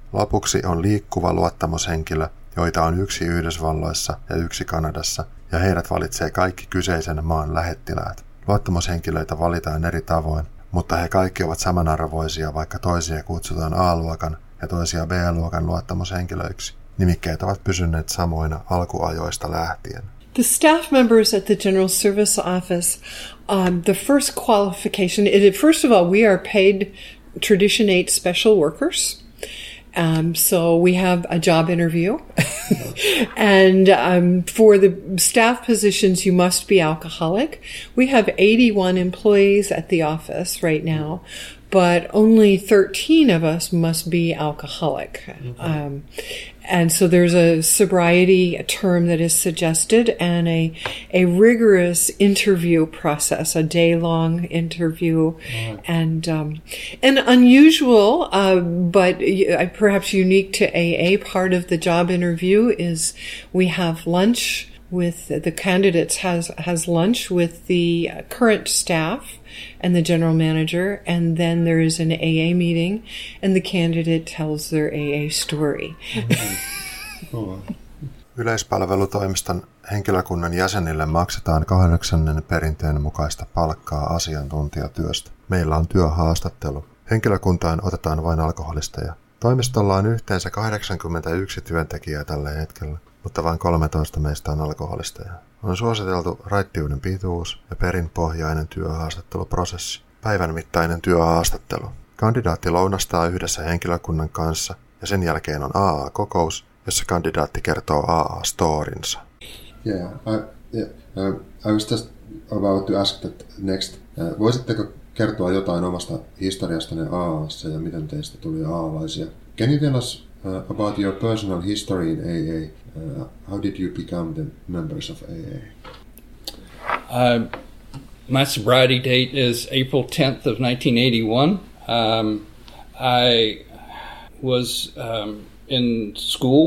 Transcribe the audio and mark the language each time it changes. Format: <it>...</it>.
<fi>Lopuksi on liikkuva luottamushenkilö, joita on 1 Yhdysvalloissa ja 1 Kanadassa, ja heidät valitsee kaikki kyseisen maan lähettiläät. Luottamushenkilöitä valitaan eri tavoin, mutta he kaikki ovat samanarvoisia, vaikka toisia kutsutaan A-luokan ja toisia B-luokan luottamushenkilöiksi. Nimikkeet ovat pysyneet samoina alkuajoista lähtien.</fi> <en>The staff members at the General Service Office, the first qualification is, first of all, we are paid Tradition 8 special workers. So we have a job interview. And for the staff positions, you must be alcoholic. We have 81 employees at the office right now, but only 13 of us must be alcoholic. Okay. And so there's a sobriety term that is suggested and a rigorous interview process, a day-long interview. Right. And unusual, but perhaps unique to AA, part of the job interview is we have lunch with the candidates has lunch with the current staff and the general manager, and then there is an AA meeting and the candidate tells their AA story.</en> <fi>Yleispalvelutoimiston henkilökunnan jäsenille maksetaan 8. perinteen mukaista palkkaa asiantuntijatyöstä. Meillä on työhaastattelu. Henkilökuntaan otetaan vain alkoholisteja. Toimistolla on yhteensä 81 työntekijää tällä hetkellä, mutta vain 13 meistä on alkoholisteja. On suositeltu raittiuden pituus ja perinpohjainen työhaastatteluprosessi. Päivän mittainen työhaastattelu. Kandidaatti lounastaa yhdessä henkilökunnan kanssa ja sen jälkeen on AA-kokous, jossa kandidaatti kertoo AA-storinsa.</fi> <en>Yeah, I was just about to ask that next.</en> <fi>Voisitteko kertoa jotain omasta historiastanne AA:ssa ja miten teistä tuli AA-laisia?</fi> <en>Can you tell us about your personal history in AA? How did you become the members of AA? My sobriety date is April 10th of 1981. I was in school.</en>